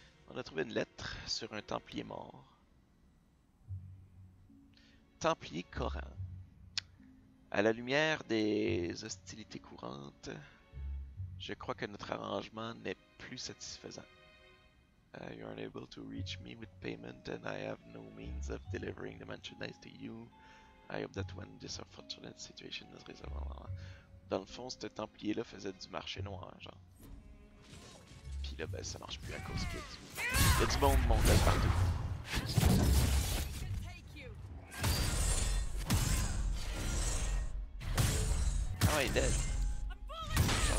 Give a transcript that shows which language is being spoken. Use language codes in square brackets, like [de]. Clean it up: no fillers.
[fr] On a trouvé une lettre sur un Templier mort. Templier Coran. À la lumière des hostilités courantes, je crois que notre arrangement n'est plus satisfaisant. [en] You are unable to reach me with payment, and I have no means of delivering the merchandise to you. I hope that when this unfortunate situation is resolved. [fr] Dans le fond, ce templier-là faisait du marché noir, genre. Puis là, ben, ça marche plus à cause qu'il y a du monde mondial partout. Oh, il est dead.